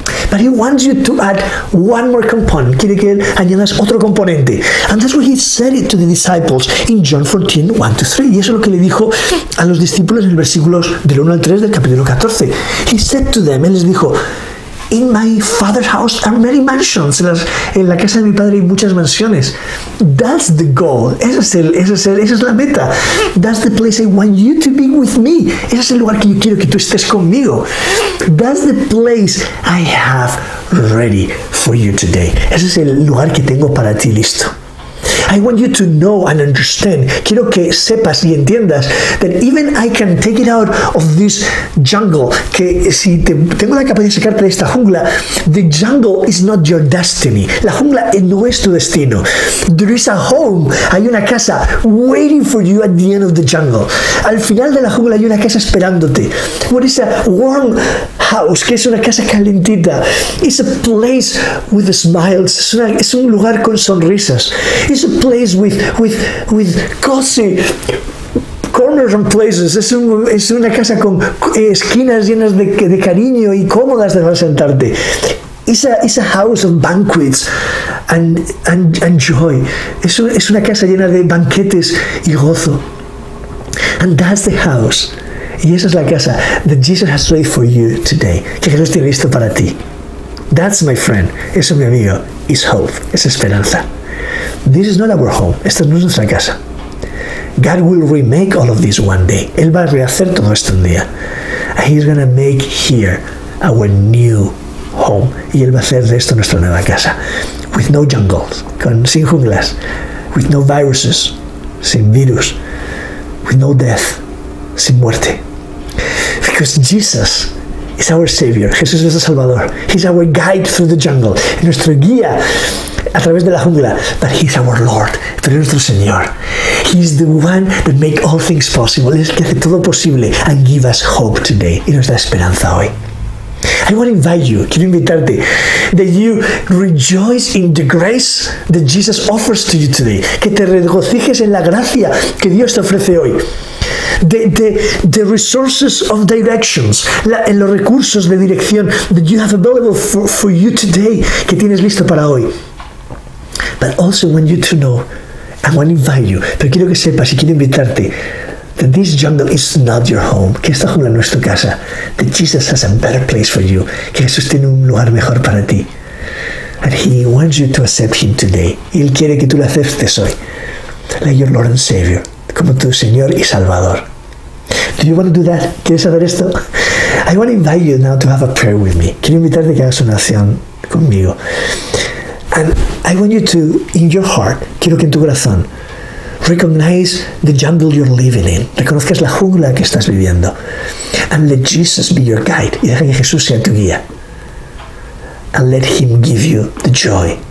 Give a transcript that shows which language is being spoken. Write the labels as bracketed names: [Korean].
[English] But he wants you to add one more component. [Spanish] Quiere que él añadas otro componente. [English] And that's what he said it to the disciples in John 14, 1-3. [Spanish] Y eso es lo que le dijo a los discípulos en versículos del 1 al 3 del capítulo 14. [English] He said to them, [Spanish] él les dijo, [English] in my father's house are many mansions. [Spanish] En la casa de mi padre hay muchas mansiones. [English] That's the goal. [Spanish] Esa es la meta. [English] That's the place I want you to be with me. [Spanish] Ese es el lugar que yo quiero que tú estés conmigo. [English] That's the place I have ready for you today. [Spanish] Ese es el lugar que tengo para ti listo. [English] I want you to know and understand. [Spanish] Quiero que sepas y entiendas [English] that even I can take it out of this jungle. [Spanish] Que si tengo la capacidad de sacarte de esta jungla, [English] the jungle is not your destiny. [Spanish] La jungla no es tu destino. [English] There is a home. [Spanish] Hay una casa [English] waiting for you at the end of the jungle. [Spanish] Al final de la jungla hay una casa esperándote. [English] What is a warm house? [Spanish] Que es una casa calentita. [English] It's a place with smiles. [Spanish] Es un lugar con sonrisas. [English] It's a place with cozy corners and places. [Spanish] Es una casa con esquinas llenas de cariño y cómodas de sentarte. [English] It's a house of banquets and joy. [Spanish] Es una casa llena de banquetes y gozo. [English] And that's the house. [Spanish] Y esa es la casa [English] that Jesus has ready for you today. [Spanish] Que Jesús tiene listo para ti. [English] That's my friend. [Spanish] Eso, mi amigo, [English] is hope. [Spanish] Es esperanza. [English] This is not our home. [Spanish] Esta no es nuestra casa. [English] God will remake all of this one day. [Spanish] Él va a rehacer todo esto un día. [English] And he's going to make here our new home. [Spanish] Y Él va a hacer de esto nuestra nueva casa. [English] With no jungles. [Spanish] Sin junglas. [English] With no viruses. [Spanish] Sin virus. [English] With no death. [Spanish] Sin muerte. [English] Because Jesus is our Savior. [Spanish] Jesús es el Salvador. [English] He's our guide through the jungle. [Spanish] Y nuestro guía a través de la jungla. [English] But he's our Lord. [Spanish] Pero es nuestro Señor. [English] He's the one that makes all things possible. [Spanish] Es el que hace todo posible. [English] And give us hope today. [Spanish] Y nos da esperanza hoy. [English] I want to invite you. [Spanish] Quiero invitarte. [English] That you rejoice in the grace that Jesus offers to you today. [Spanish] Que te regocijes en la gracia que Dios te ofrece hoy. [English] The resources of directions. [Spanish] En los recursos de dirección [English] that you have available for you today. [Spanish] Que tienes listo para hoy. [English] But also want you to know, I want to invite you, [Spanish] pero quiero que sepas y quiero invitarte, [English] that this jungle is not your home, [Spanish] que esta jungla no es tu casa, [English] that Jesus has a better place for you, [Spanish] que Jesús tiene un lugar mejor para ti. [English] And he wants you to accept him today, [Spanish] y él quiere que tú lo aceptes hoy, [English] like your Lord and Savior, [Spanish] como tu Señor y Salvador. [English] Do you want to do that? [Spanish] ¿Quieres saber esto? [English] I want to invite you now to have a prayer with me. [Spanish] Quiero invitarte a que hagas una oración conmigo. [English] And I want you to, in your heart, [Spanish] quiero que en tu corazón, [English] recognize the jungle you're living in. [Spanish] Reconozcas la jungla que estás viviendo. [English] And let Jesus be your guide. [Spanish] Y deja que Jesús sea tu guía. [English] And let him give you the joy.